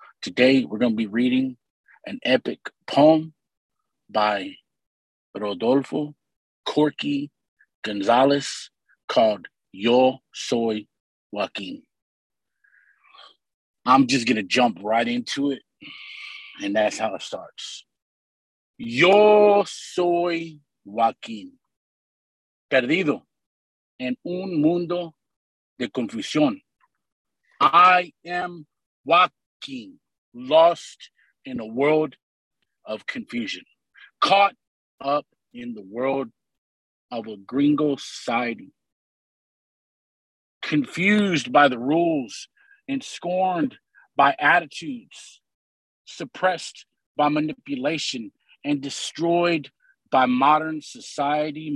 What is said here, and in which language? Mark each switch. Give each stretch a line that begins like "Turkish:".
English: Today, we're going to be reading an epic poem by Rodolfo Corky Gonzalez called Yo Soy Joaquin. I'm just going to jump right into it, and that's how it starts.
Spanish: Yo soy Joaquín, perdido en un mundo de confusión.
English: I am Joaquín, lost in a world of confusion, caught up in the world of a gringo society, confused by the rules and scorned by attitudes, suppressed by manipulation, and destroyed by modern society.